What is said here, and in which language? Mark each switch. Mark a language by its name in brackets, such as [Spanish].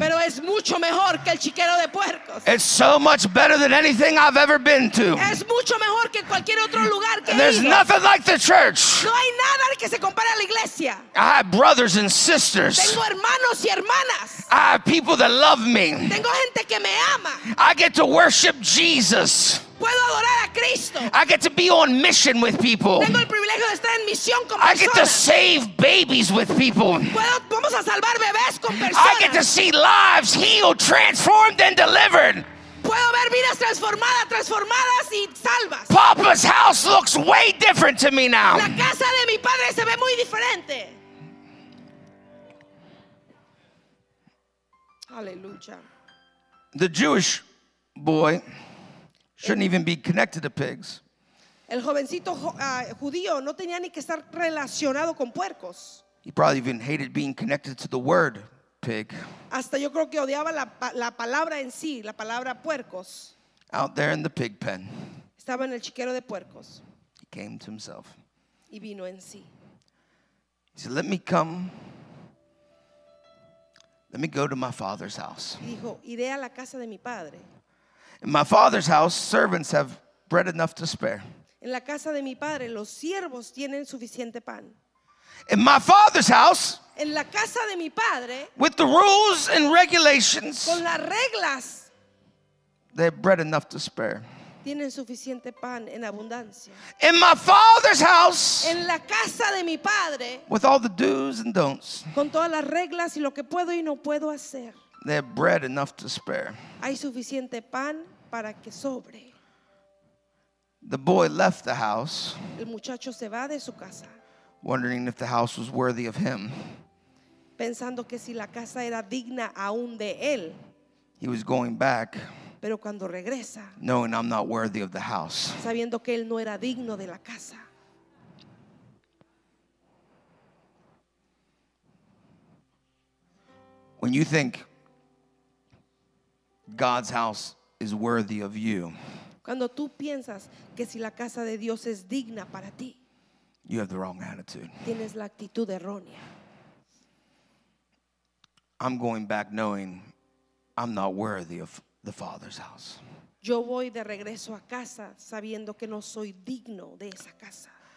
[Spanish] Pero es mucho mejor que el chiquero de puercos. [English] It's so much better than anything I've ever been to. [Spanish] Es mucho mejor que cualquier otro lugar que he ido. [English] There's nothing like the church. [Spanish] No hay nada que se compare a la iglesia. [English] I have brothers and sisters. [Spanish] Tengo hermanos y hermanas. [English] I have people that love me. [Spanish] Tengo gente que me ama. [English] I get to worship Jesus. [Spanish] Puedo adorar a Cristo. [English] I get to be on mission with people. [Spanish] Tengo el privilegio de estar en misión con [English] I personas. Get to save babies with people. [Spanish] Puedo, vamos a salvar bebés con personas. [English] I get to see lives healed, transformed, and delivered. [Spanish] Puedo ver vidas transformadas, transformadas y salvas. [English] Papa's house looks way different to me now. [Spanish] La casa de mi padre se ve muy diferente. Aleluya. [English] The Jewish boy shouldn't even be connected to pigs. [Spanish] El jovencito judío no tenía ni que estar relacionado con puercos. [English] He probably even hated being connected to the word pig. [Spanish] Hasta yo creo que odiaba la palabra en sí, la palabra puercos. [English] Out there in the pig pen. [Spanish] Estaba en el chiquero de puercos. [English] He came to himself. [Spanish] Y vino en sí. [English] He said, "Let me come. Let me go to my father's house." [Spanish] Dijo, "Iré a la casa de mi padre." [English] In my father's house, servants have bread enough to spare. [Spanish] En la casa de mi padre, los siervos tienen suficiente pan. [English] In my father's house, [Spanish] en la casa de mi padre, [English] with the rules and regulations, [Spanish] con las reglas, [English] they have bread enough to spare. [Spanish] Tienen suficiente pan en abundancia. [English] In my father's house, [Spanish] en la casa de mi padre, [English] with all the do's and don'ts, [Spanish] con todas las reglas y lo que puedo y no puedo hacer. [English] They have bread enough to spare. [Spanish] Hay suficiente pan para que sobre. [English] The boy left the house. [Spanish] El muchacho se va de su casa. [English] Wondering if the house was worthy of him. [Spanish] Pensando que si la casa era digna aún de él. [English] He was going back. [Spanish] Pero cuando regresa. [English] Knowing I'm not worthy of the house. [Spanish] Sabiendo que él no era digno de la casa. [English] When you think God's house is worthy of you. [Spanish] Cuando tú piensas que si la casa de Dios es digna para ti. [English] You have the wrong attitude. [Spanish] Tienes la actitud errónea. [English] I'm going back knowing I'm not worthy of the Father's house. [Spanish] Yo voy de regreso a casa sabiendo que no soy digno de esa casa.